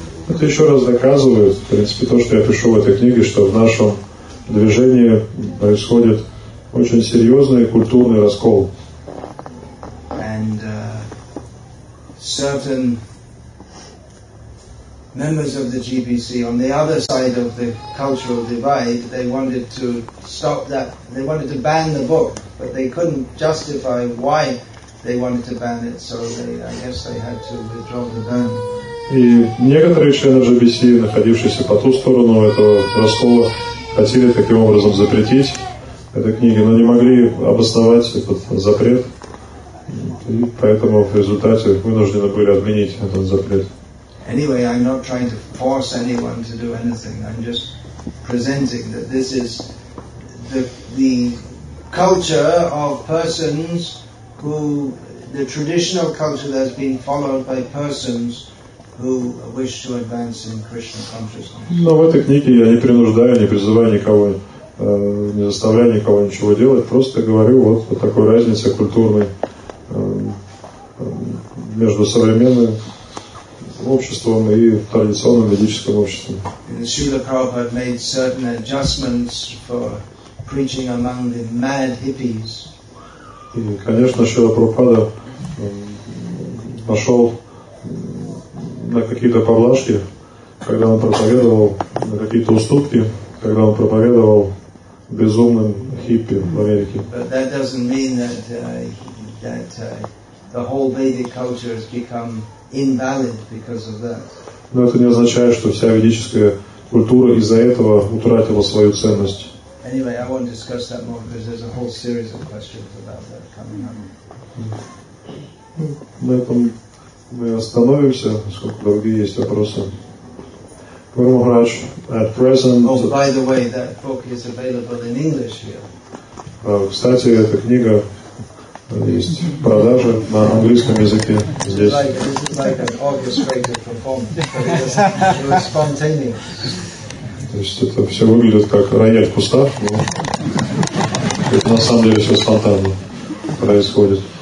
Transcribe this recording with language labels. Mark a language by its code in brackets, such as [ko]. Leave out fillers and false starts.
[ru] Это еще раз доказывает, в принципе, то, что я пишу в этой книге, что в нашем движение происходит очень серьезный культурный раскол. [en] And certain members of the GBC on the other side of the cultural divide, they wanted to stop that. They wanted to ban the book, but they couldn't justify why they wanted to ban it. So they, I guess, they had to withdraw the ban. [ru] И некоторые члены GBC, находившиеся по ту сторону этого раскола, хотели таким образом запретить эту книгу, но не могли обосновать этот запрет. И поэтому в результате вынуждены были отменить этот запрет. [en] Anyway, I'm not trying to force anyone to do anything. I'm just presenting that this is the culture of persons who, the traditional culture that's been followed by persons who wish to advance in Krishna consciousness. [ru] Но в этой книге я не принуждаю, не призываю никого, не заставляю никого ничего делать. Просто говорю вот о такой разнице культурной между современным обществом и традиционным ведическим обществом. [en] Śrīla Prabhupāda made certain adjustments for preaching among the mad hippies. [ru] И, конечно, Śrīla Prabhupāda пошел на какие-то поблажки, когда он проповедовал, на какие-то уступки, когда он проповедовал безумным хиппи в Америке. [en] But that doesn't mean that the whole Vedic culture has become invalid because of that. [ru] Но это не означает, что вся ведическая культура из-за этого утратила свою ценность. [en] Anyway, I won't discuss that more because there's a whole series of questions about that coming up. [ru] На этом мы остановимся, поскольку другие есть вопросы. Гуру Махарадж, [en] at present... Oh, by the way, that book is available in English here. [ru] Кстати, эта книга есть в продаже на английском языке здесь. [en] This is like an orchestrated performance. It's spontaneous. [ru] То есть это все выглядит как рояль в кустах, но это на самом деле все спонтанно происходит.